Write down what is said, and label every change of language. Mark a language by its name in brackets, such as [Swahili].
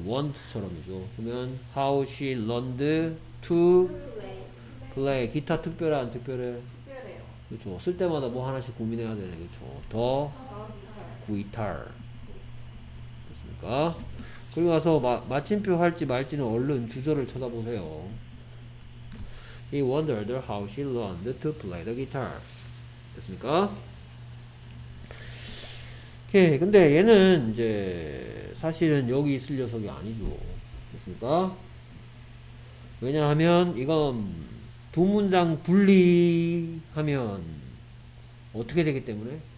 [English] want처럼이죠. [Korean] 그러면 [English] how she learned to play. [Korean] 기타 특별해 안 특별해? 특별해요. 그렇죠. 쓸 때마다 뭐 하나씩 고민해야 되네. 그렇죠. [English] the guitar. [Korean] 됐습니까? 그리고 나서 마침표 할지 말지는 얼른 주절을 쳐다보세요. [English] He wondered how she learned to play the guitar. [Korean] 됐습니까? 오케이. 근데 얘는 이제 사실은 여기 있을 녀석이 아니죠. 됐습니까? 왜냐하면 이건 두 문장 분리하면 어떻게 되기 때문에?